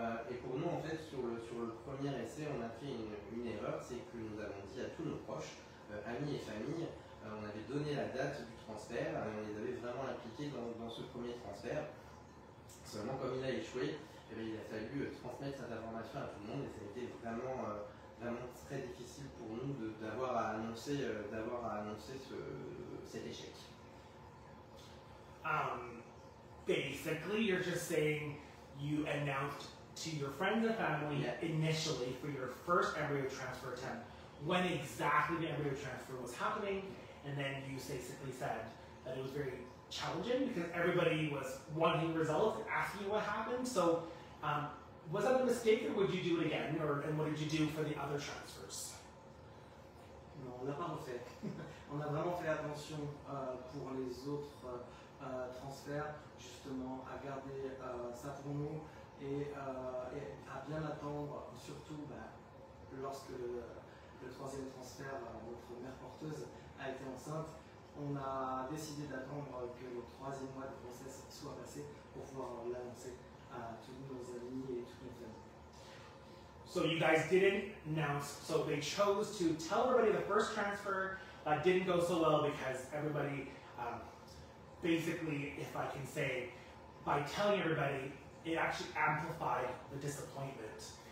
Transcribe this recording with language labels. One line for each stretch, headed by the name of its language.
French: Et pour nous, en fait, sur le premier essai, on a fait une erreur, c'est que nous avons dit à tous nos proches, amis et famille, on avait donné la date du transfert et on les avait vraiment impliqués dans ce premier transfert. Seulement, comme il a échoué, eh bien, il a fallu transmettre cette information à tout le monde et ça a été vraiment, vraiment très difficile pour nous d'avoir à annoncer cet échec.
English: Basically, you're just saying you announced to your friends and family, yeah, initially for your first embryo transfer attempt when exactly the embryo transfer was happening, and then you basically said that it was very challenging because everybody was wanting results and asking you what happened. So was that a mistake, or would you do it again, or and what did you do for the other transfers?
French: Non, on n'a pas refait. on a vraiment fait attention pour les autres transferts, justement, à garder ça pour nous et à bien attendre, surtout lorsque le troisième transfert, notre mère porteuse, a été enceinte. On a décidé d'attendre que le troisième mois de grossesse soit passé pour pouvoir l'annoncer à tous nos amis et toutes nos familles.
English: So you guys didn't announce, so they chose to tell everybody the first transfer didn't go so well because everybody basically, if I can say, by telling everybody, it actually amplified the disappointment.